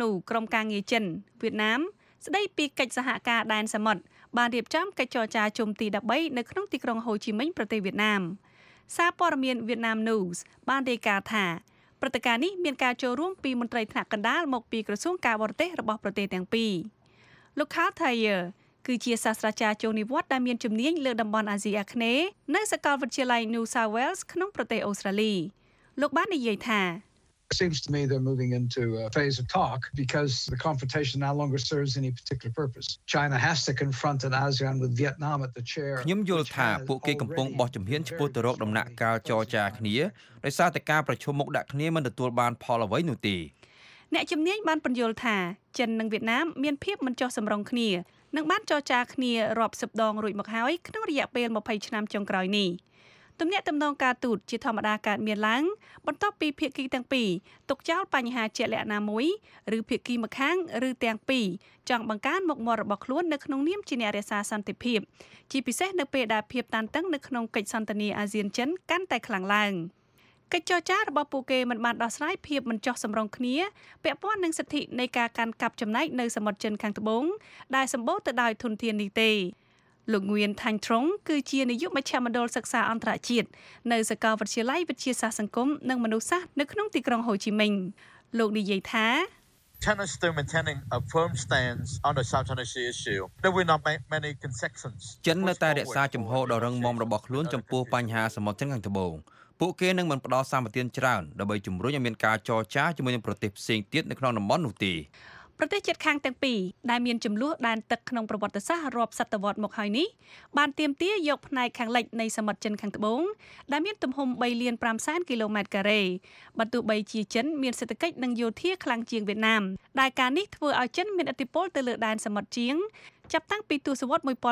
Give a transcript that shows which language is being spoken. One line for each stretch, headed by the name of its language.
Khmer: ក្រុមការងារចិនវៀតណាមស្ដីពីកិច្ចសហការដែនសមុទ្របានរៀបចំកិច្ចចរចាជុំទី13នៅក្នុងទីក្រុងហូជីមិញប្រទេសវៀតណាមសារព័ត៌មានវៀតណាម News បានរាយការណ៍ថាព្រឹត្តិការណ៍នេះមានការចូលរួមពីមន្ត្រីថ្នាក់កណ្ដាលមកពីក្រសួងការបរទេសរបស់ប្រទេសទាំងពីរលោក Carl Thayer គឺជាសាស្ត្រាចារ្យជំនាញវត្តដែលមានជំនាញលើតំបន់អាស៊ីអាគ្នេយ៍នៅសាកលវិទ្យាល័យ New South Wales ក្នុងប្រទេសអូស្ត្រាលីលោកបាននិយាយថា
English: It seems to me they're moving into a phase of talk because the confrontation no longer serves any particular purpose. China has to confront an ASEAN with Vietnam at the chair.
Khmer: ខ្ញុំយល់ថាពួកគេកំពុងបោះជំហានឆ្ពោះទៅរកដំណាក់កាលចរចាគ្នាដោយសារតែការប្រឈមមុខដាក់គ្នាមិនទទួលបានផលអ្វីនោះទេ ។អ្នកជំនាញបានបញ្យល់ថាចិននិងវៀតណាមមានភាពមិនចុះសម្រុងគ្នានិងបានចរចាគ្នារាប់សិបដងរួចមកហើយក្នុងរយៈពេល20ឆ្នាំចុងក្រោយនេះ។ទំនាក់ទំនងការទូតជាធម្មតាកើតមានឡើងបន្ទាប់ពីភាគីទាំងពីរទុកចោលបញ្ហាជាក់លាក់ណាមួយឬភាគីម្ខាងឬទាំងពីរចង់បង្កើនមុខមាត់របស់ខ្លួននៅក្នុងនាមជាអ្នករក្សាសន្តិភាពជាពិសេសនៅពេលដែលភាពតានតឹងនៅក្នុងកិច្ចសន្ទនាអាស៊ានចិនកាន់តែខ្លាំងឡើង កិច្ចចរចារបស់ពួកគេមិនបានដោះស្រាយភាពមិនចុះសម្រុងគ្នាពាក់ព័ន្ធនឹងសិទ្ធិនៃការកាន់កាប់ចំណែកនៅសមុទ្រចិនខាងត្បូងដែលសម្បូរទៅដោយធនធាននេះទេលោកងឿនថាញ់ត្រុងគឺជានាយកមជ្ឈមណ្ឌលសិក្សាអន្តរជាតិនៅសាកលវិទ្យាល័យវិទ្យាសាស្ត្រសង្គមនិងមនុស្សសាស្ត្រនៅក្នុងទីក្រុងហូជីមិញលោកនិយាយថា
English: China still maintaining a firm stance on the South China Sea issue though we not make many concessions
Khmer: ចិននៅតែរក្សាជំហរដ៏រឹងមាំរបស់ខ្លួនចំពោះបញ្ហាសមុទ្រចិនខាងត្បូងពួកគេនឹងមិនផ្ដោតសម្បទានច្រើនដើម្បីជំរុញឲ្យមានការចរចាជាមួយនឹងប្រទេសផ្សេងទៀតនៅក្នុងតំបន់នោះទេ ប្រទេសជិតខាងទាំងពីរដែលមានចំនួនដែនទឹកក្នុងប្រវត្តិសាស្ត្ររាប់សតវត្សមកហើយនេះបានទាមទារយកផ្នែកខាងលិចនៃសមុទ្រចិនខាងត្បូងដែលមានទំហំ 3.5 លានគីឡូម៉ែត្រការ៉េបើទោះបីជាចិនមានសេដ្ឋកិច្ចនិងយោធាខ្លាំងជាងវៀតណាមដែលការនេះធ្វើឲ្យចិនមានឥទ្ធិពលទៅលើដែនសមុទ្រជាងចាប់តាំងពីទសវត្ស